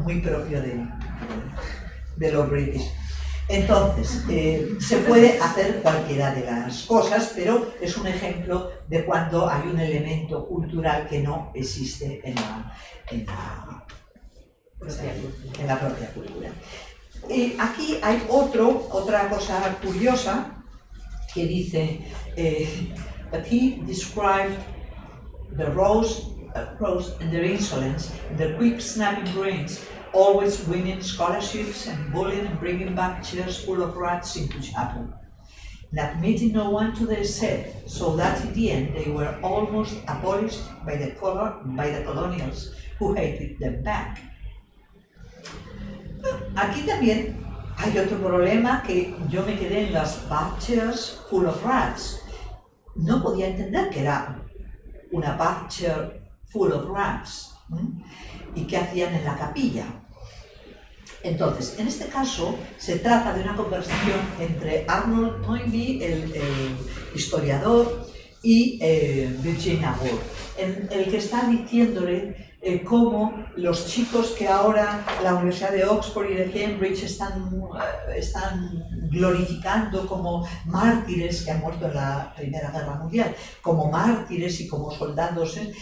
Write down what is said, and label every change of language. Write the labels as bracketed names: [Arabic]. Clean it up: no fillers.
[Spanish] Muy propio de los british. Entonces, se puede hacer cualquiera de las cosas, pero es un ejemplo de cuando hay un elemento cultural que no existe en la propia cultura. Y aquí hay otra cosa curiosa que dice, [English] but he described the rose and their insolence, the quick snapping brains, always winning scholarships and bullying and bringing back chairs full of rats into chapel. Not meeting no one to their set, so that in the end they were almost abolished by the colonials who hated them back. [Spanish] Aquí también hay otro problema, que yo me quedé en las [English] bath chairs full of rats. [Spanish] No podía entender que era una [English] bath chair full of rats. [Spanish] ¿Y qué hacían en la capilla? Entonces, en este caso, se trata de una conversación entre Arnold Toynbee, el historiador, y Virginia Woolf, en el que está diciéndole cómo los chicos que ahora la Universidad de Oxford y de Cambridge están glorificando como mártires, que han muerto en la Primera Guerra Mundial, como mártires y como soldados,